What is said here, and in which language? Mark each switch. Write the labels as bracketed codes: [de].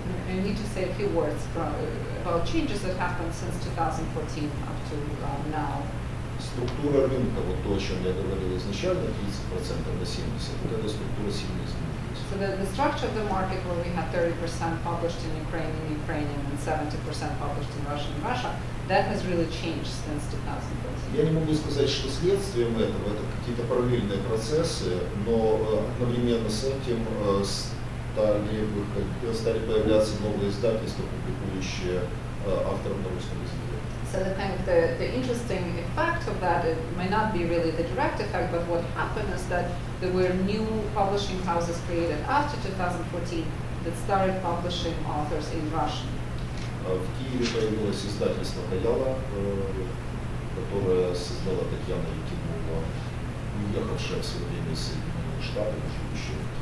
[en] I need to say a few words about changes that happened since 2014 up to now. [ru] Структура рынка, вот то, о чем я говорил изначально, 30% на 70%, вот эта структура сильно изменилась. [en] So the structure of the market, where we had 30% published in Ukrainian, and 70% published in Russia, that has really changed since 2014. [ru] Я не могу сказать, что следствием этого, это какие-то параллельные процессы, но одновременно с этим стали появляться новые издательства, публикующие авторов на русском языке. [en] So I think the interesting effect of that, it may not be really the direct effect, but what happened is that there were new publishing houses created after 2014 that started publishing authors in Russian. [ru] В Киеве появилось издательство «Каяла», которое создала Татьяна Якимова, уехавшая в свое время из Соединенных Штатов, живущая.